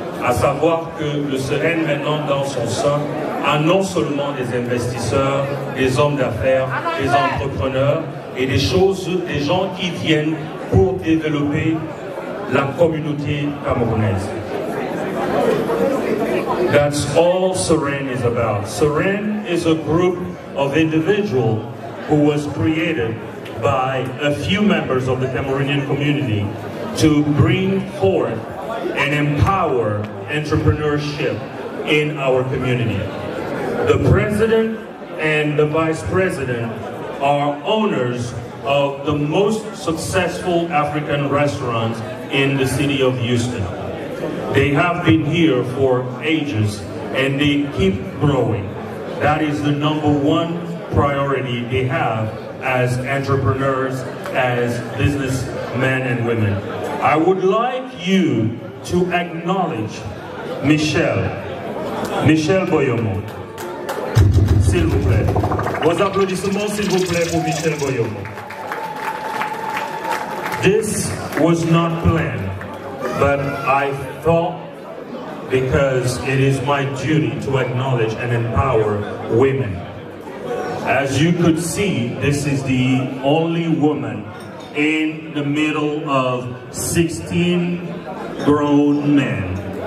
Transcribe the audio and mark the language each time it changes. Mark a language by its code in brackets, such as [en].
[fr] À savoir que le Ceren, maintenant, dans son sein, à non seulement des investisseurs, des hommes d'affaires, des entrepreneurs et des choses, des gens qui viennent pour développer la communauté camerounaise. [en] That's all Ceren is about. Ceren is a group of individuals who was created by a few members of the Cameroonian community to bring forth and empower entrepreneurship in our community. The president and the vice president are owners of the most successful African restaurants in the city of Houston. They have been here for ages and they keep growing. That is the number one priority they have as entrepreneurs, as businessmen and women. I would like you to acknowledge Michelle Boyomo. [fr] S'il vous plaît. Vos applaudissements, s'il vous plaît, pour Michel Boyomo. [en] This was not planned, but I thought, because it is my duty to acknowledge and empower women. As you could see, this is the only woman in the middle of 16 grown men.